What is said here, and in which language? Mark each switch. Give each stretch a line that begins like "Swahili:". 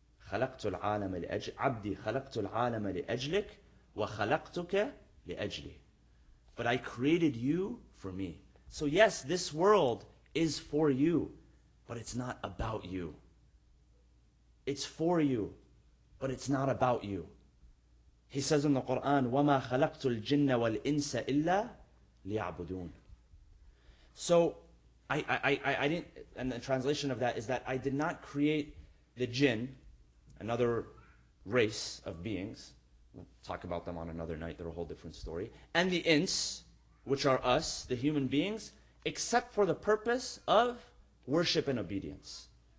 Arabic: خَلَقْتُ الْعَالَمَ لِأَجْلِكَ عَبْدِي خَلَقْتُ الْعَالَمَ لِأَجْلِكَ وَخَلَقْتُكَ لِأَجْلِي.
English: But I created you for me. So yes, this world is for you, but it's not about you. It's for you, but it's not about you. He says in the Quran,
Arabic: وَمَا خَلَقْتُ الْجِنَّ وَالْإِنسَ إِلَّا لِيَعْبُدُونَ.
English: So, I didn't, and the translation of that is that I did not create the jinn, another race of beings. We'll talk about them on another night, they're a whole different story. And the ins, which are us, the human beings, except for the purpose of worship and obedience.